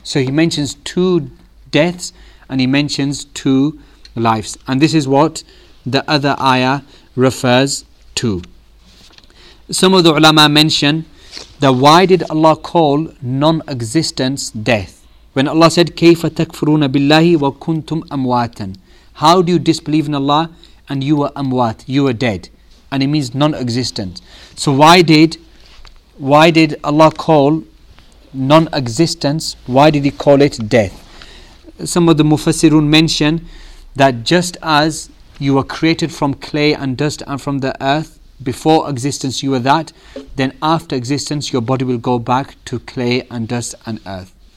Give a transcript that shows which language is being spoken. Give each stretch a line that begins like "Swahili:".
English: So he mentions two deaths and he mentions two lives. And this is what the other ayah refers to. Some of the ulama mention that why did Allah call non-existence death? When Allah said,
Arabic: كَيْفَ تَكْفُرُونَ بِاللَّهِ وَكُنْتُمْ أَمْوَاتًا.
English: How do you disbelieve in Allah and you were amwat, you were dead? And it means non-existent. So why did Allah call non-existence, why did He call it death? Some of the Mufassirun mention that just as you were created from clay and dust and from the earth, before existence you were that, then after existence your body will go back to clay and dust and earth.